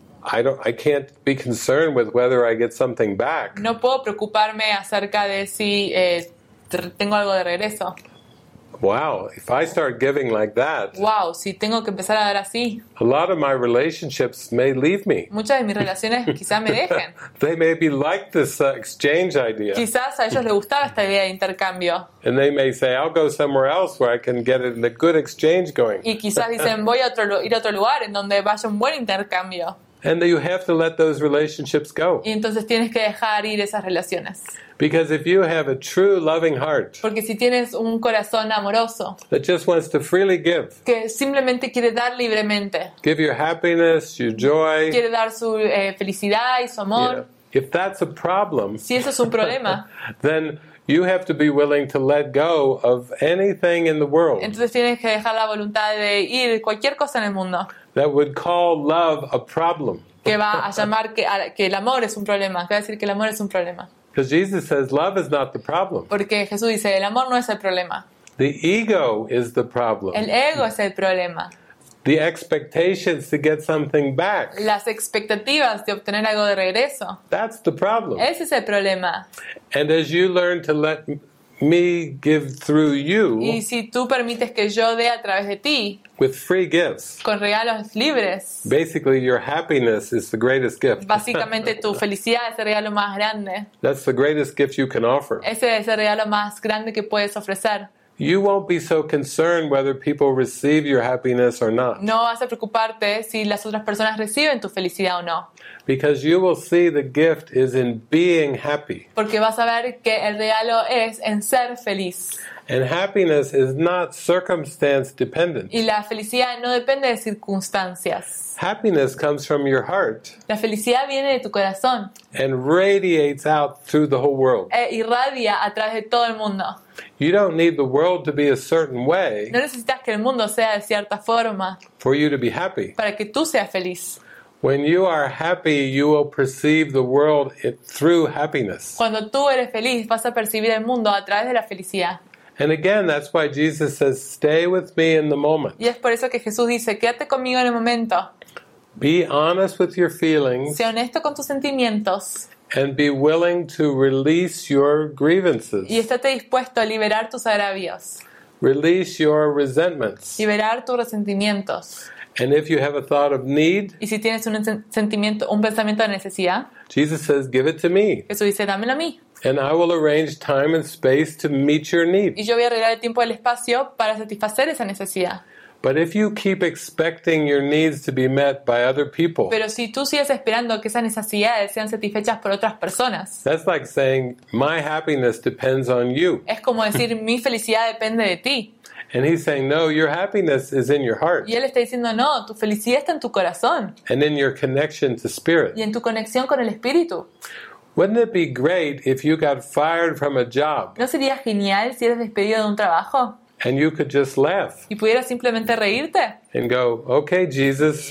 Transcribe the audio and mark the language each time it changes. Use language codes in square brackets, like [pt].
[en] I can't be concerned with whether I get something back. [es] No puedo preocuparme acerca de si tengo algo de regreso. [en] Wow, if I start giving like that. [es] Wow, si tengo que empezar a dar así. [en] A lot of my relationships may leave me. [es] Muchas de mis relaciones quizás me dejen. [en] They may be like this exchange idea. [es] Quizás a ellos les gustaba esta idea de intercambio. [en] And they may say, I'll go somewhere else where I can get a good exchange going. [es] Y quizás dicen, voy a ir a otro lugar en donde vaya un buen intercambio. [en] And you have to let those relationships go. [es] Y entonces tienes que dejar ir esas relaciones. [en] Because if you have a true loving heart, [es] porque si tienes un corazón amoroso, [en] that just wants to freely give, [es] que simplemente quiere dar libremente, [en] give your happiness, your joy, [es] quiere dar su felicidad y su amor, yeah. [en] If that's a problem, [es] si eso es un problema, [en] then you have to be willing to let go of anything in the world. [es] Entonces tienes que dejar la voluntad de ir cualquier cosa en el mundo. [en] That would call love a problem. [es] Que va a llamar que el amor es un problema. Que va a decir que el amor es un problema. [en] Because Jesus says love is not the problem. [es] Porque Jesús dice el amor no es el problema. [en] The ego is the problem. [es] El ego es el problema. [en] The expectations to get something back. [es] Las expectativas de obtener algo de regreso. [en] That's the problem. [es] Ese es el problema. [en] And as you learn to let me give through you. [es] Y si tú permites que yo dé a través de ti. [en] With free gifts. [es] Con regalos libres. [en] Basically, your happiness is the greatest gift. [es] Básicamente, tu felicidad es el regalo más grande. [en] That's the greatest gift you can offer. [es] Ese es el regalo más grande que puedes ofrecer. [en] You won't be so concerned whether people receive your happiness or not. [es] No vas a preocuparte si las otras personas reciben tu felicidad o no. [en] Because you will see the gift is in being happy. [es] Porque vas a ver que el regalo es en ser feliz. [en] And happiness is not circumstance dependent. [es] Y la felicidad no depende de circunstancias. [en] Happiness comes from your heart. [es] La felicidad viene de tu corazón. [en] And radiates out through the whole world. [es] E irradia a través de todo el mundo. [en] You don't need the world to be a certain way. [es] No necesitas que el mundo sea de cierta forma. [en] For you to be happy. [es] Para que tú seas feliz. [en] When you are happy, you will perceive the world through happiness. [es] Cuando tú eres feliz, vas a percibir el mundo a través de la felicidad. [en] And again, that's why Jesus says, "Stay with me in the moment." [es] Y es por eso que Jesús dice, quédate conmigo en el momento. [en] Be honest with your feelings. [es] Sé honesto con tus sentimientos. [en] And be willing to release your grievances. [es] Y estate dispuesto a liberar tus agravios. [en] Release your resentments. [es] Liberar tus resentimientos. [en] And if you have a thought of need, [es] y si tienes un sentimiento, un pensamiento de necesidad, [en] Jesus says, "Give it to me." [es] Jesús dice, dámelo a mí. [en] And I will arrange time and space to meet your need. [es] Y yo voy a arreglar el tiempo y el espacio para satisfacer esa necesidad. [en] But if you keep expecting your needs to be met by other people, [es] pero si tú sigues esperando que esas necesidades sean satisfechas por otras personas, [en] that's like saying my happiness depends on you. [es] Es como decir mi felicidad depende de ti. [en] And he's saying, no, your happiness is in your heart. [es] Y él está diciendo, no, tu felicidad está en tu corazón. [en] And in your connection to spirit. [es] Y en tu conexión con el espíritu. [en] Wouldn't it be great if you got fired from a job? [es] ¿No sería genial si eres despedido de un trabajo? [en] And you could just laugh. [es] ¿Y pudieras simplemente reírte? [en] And go, okay, Jesus.